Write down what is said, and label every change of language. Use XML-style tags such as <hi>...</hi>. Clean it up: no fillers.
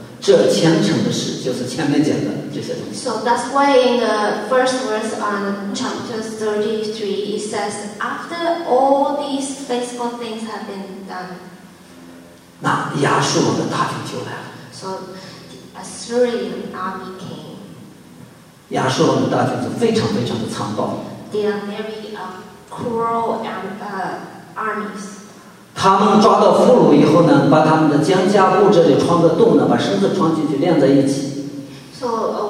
<zh>那所以32章呢，就讲到在这虔诚的事以后，这虔诚的事就是前面讲的这些东西。</zh> <en>So that's why in the first verse on chapter 33, it says, after all these faithful things have been done,</en> <zh>那亚述王的大军就来了。</zh> <en>So the Assyrian army came.</en> <zh>亚述王的大军是非常非常的残暴。</zh> <en>They are very cruel armies.</en> <zh>他们抓到俘虏以后呢，把他们的肩胛骨这里穿个洞呢，把绳子穿进去连在一起。</zh> <en>So</en>